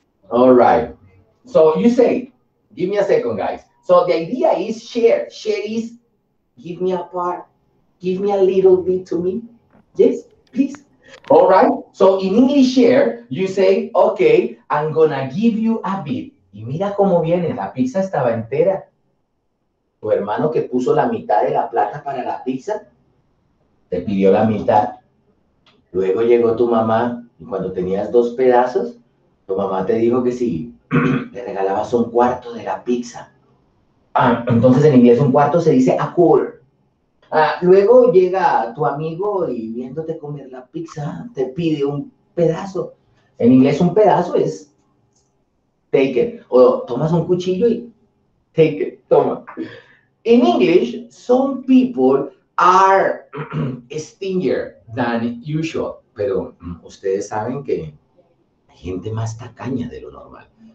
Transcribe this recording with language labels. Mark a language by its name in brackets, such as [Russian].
[English] All right. So you say, give me a second, guys. So the idea is share. Share is give me a part, give me a little bit to me. Yes, please. All right. So in English share, you say, okay, I'm gonna give you a bit. [Spanish] Y mira cómo viene, la pizza estaba entera. Tu hermano que puso la mitad de la plata para la pizza, te pidió la mitad. Luego llegó tu mamá y cuando tenías dos pedazos, tu mamá te dijo que sí, le regalabas un cuarto de la pizza. Ah, entonces en inglés un cuarto se dice a quarter. Luego llega tu amigo y viéndote comer la pizza, te pide un pedazo. En inglés un pedazo es take it. O tomas un cuchillo y [English] take it, [Spanish] toma. [English] In English, some people are stingier than usual. [Spanish] Pero ustedes saben que hay gente más tacaña de lo normal.